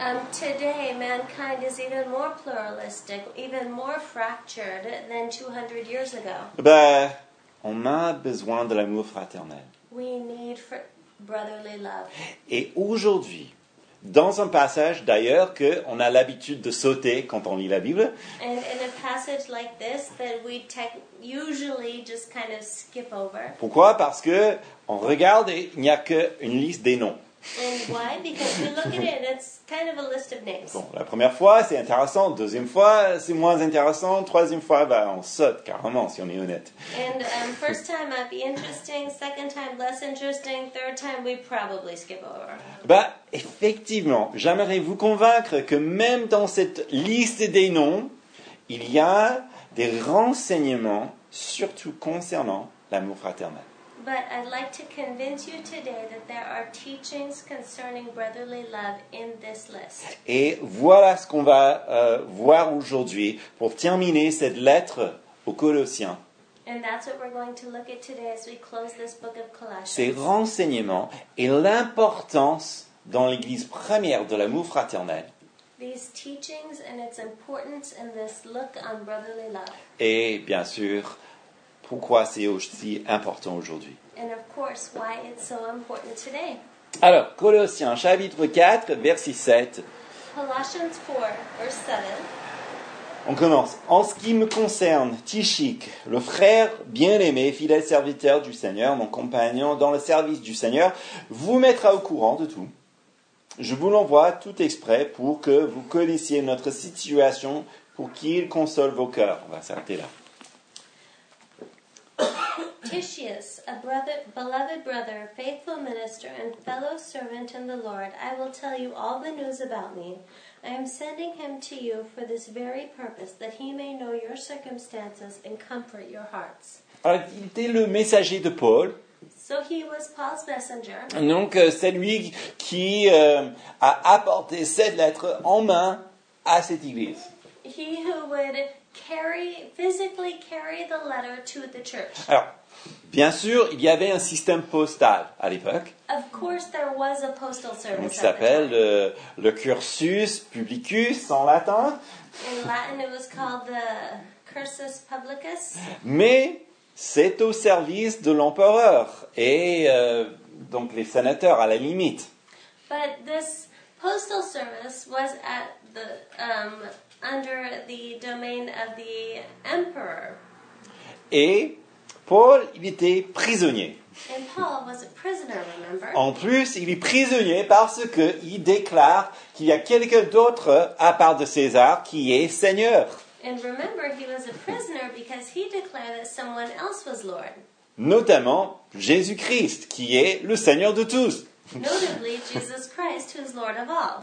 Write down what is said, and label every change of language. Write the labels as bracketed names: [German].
[English] Today, mankind is even more pluralistic, even more fractured than 200 years ago. [French] On a besoin de l'amour fraternel. [English] We need brotherly love. [French] Et aujourd'hui, dans un passage d'ailleurs que on a l'habitude de sauter quand on lit la Bible. [English] And in a passage like this that we usually just kind of skip over. [French] Pourquoi? Parce que on regarde et il n'y a qu'une liste des noms. [English] And why? Because you look at it, it's kind of a list of names. [French] Bon, la première fois, c'est intéressant. Deuxième fois, c'est moins intéressant. Troisième fois, on saute carrément, si on est honnête. [English] And first time might be interesting. Second time, less interesting. Third time, we probably skip over. [French] Effectivement, j'aimerais vous convaincre que même dans cette liste des noms, il y a des renseignements, surtout concernant l'amour fraternel. [English] But I'd like to convince you today that there are teachings concerning brotherly love in this list. [French] Et voilà ce qu'on va voir aujourd'hui pour terminer cette lettre aux Colossiens. [English] And that's what we're going to look at today as we close this book of Colossians. [French] Ces renseignements et l'importance dans l'Église première de l'amour fraternel. [English] These teachings and its importance in this look on brotherly love. [French] Et bien sûr, pourquoi c'est aussi important aujourd'hui. [English] And of course, why it's so important today. [French] Alors, Colossiens, chapitre 4, verset 7. [English] Colossians 4, verse 7. [French] On commence. En ce qui me concerne, Tychique, le frère bien-aimé, fidèle serviteur du Seigneur, mon compagnon dans le service du Seigneur, vous mettra au courant de tout. Je vous l'envoie tout exprès pour que vous connaissiez notre situation, pour qu'il console vos cœurs. On va s'arrêter là. [English] Tychius, a brother, beloved brother, faithful minister, and fellow servant in the Lord, I will tell you all the news about me. I am sending him to you for this very purpose, that he may know your circumstances and comfort your hearts. [French] Alors, il était le messager de Paul. [English] So he was Paul's messenger. [French] Donc, c'est lui qui a apporté cette lettre en main à cette église. [English] He who would physically carry the letter to the church. [French] Alors, Bien sûr, il y avait un système postal à l'époque. [English] Of course, there was a postal service. [French] Donc, ça s'appelle le cursus publicus en latin. [English] In Latin, it was called the cursus publicus. [French] Mais c'est au service de l'empereur et donc les sénateurs à la limite. [English] But this postal service was at the under the domain of the emperor. [French] Et Paul, il était prisonnier. [English] And Paul was a prisoner, remember? [French] En plus, il est prisonnier parce qu'il déclare qu'il y a quelqu'un d'autre à part de César qui est seigneur. [English] And remember, he was a prisoner because he declared that someone else was Lord. [French] Notamment Jésus-Christ, qui est le Seigneur de tous. [English] Notably, Jesus Christ, who is Lord of all.